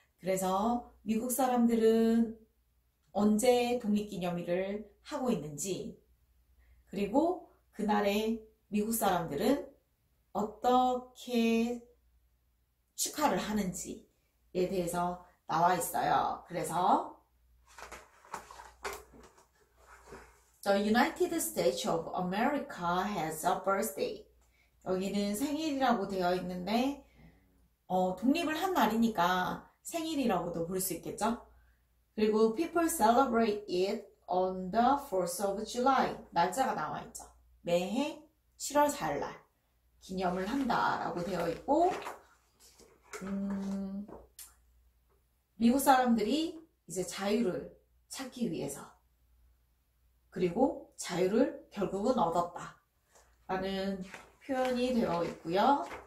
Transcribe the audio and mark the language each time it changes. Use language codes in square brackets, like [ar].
[ko] 그래서 미국 사람들은 언제 독립기념일을 하고 있는지, 그리고 그날에 미국 사람들은 어떻게 축하를 하는지에 대해서 나와 있어요. [en] 그래서 The United States of America has a birthday. [ko] 여기는 생일이라고 되어 있는데, 독립을 한 날이니까 생일이라고도 볼수 있겠죠? [en] 그리고 people celebrate it on the 4th of July. [ko] 날짜가 나와 있죠. 매해 7월 4일 날 기념을 한다라고 되어 있고, 미국 사람들이 이제 자유를 찾기 위해서, 그리고 자유를 결국은 얻었다 라는 표현이 되어 있고요.